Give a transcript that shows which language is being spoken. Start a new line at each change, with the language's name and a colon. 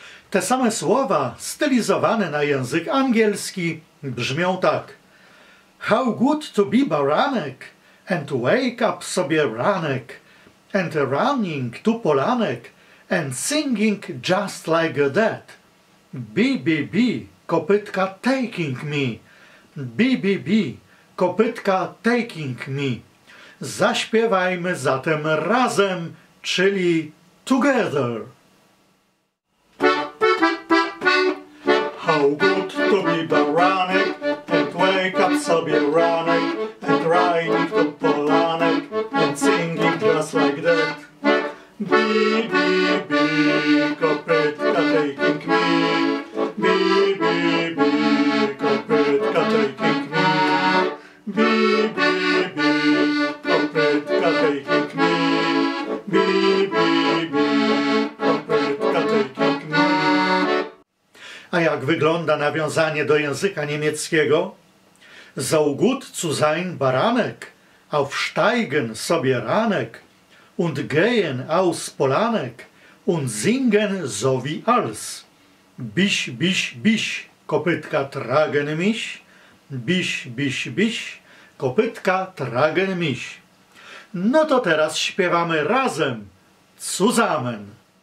Polish: Te same słowa, stylizowane na język angielski, brzmią tak.
English: How good to be
Polish: baranek,
English: and wake up
Polish: sobie ranek,
English: and running to
Polish: polanek,
English: and singing just like that. Bi, bi, bi,
Polish: kopytka
English: taking me. Bi, bi, bi,
Polish: kopytka
English: taking me.
Polish: Zaśpiewajmy zatem razem, czyli
English: together. How good to be
Polish: baranek,
English: and wake up
Polish: sobie ranek,
English: and riding to
Polish: polanek,
English: and singing just like that. Bi, bi, bi,
Polish: kopytka
English: taking me. Bi, bi, bi,
Polish: kopytka
English: taking me. Bi, bi, bi,
Polish: kopytka
English: taking me. Bi, bi, bi,
Polish: kopytka
English: taking me.
Polish: A jak wygląda nawiązanie do języka niemieckiego?
German: So gut zu sein
Polish: baranek,
German: aufsteigen
Polish: sobie ranek,
German: und gehen aus
Polish: polanek,
German: und singen so wie als. Bisch, bisch, bisch,
Polish: kopytka
German: tragen mich. Bisch, bisch, bisch,
Polish: kopytka
German: tragen mich.
Polish: No to teraz śpiewamy razem,
German: zusammen.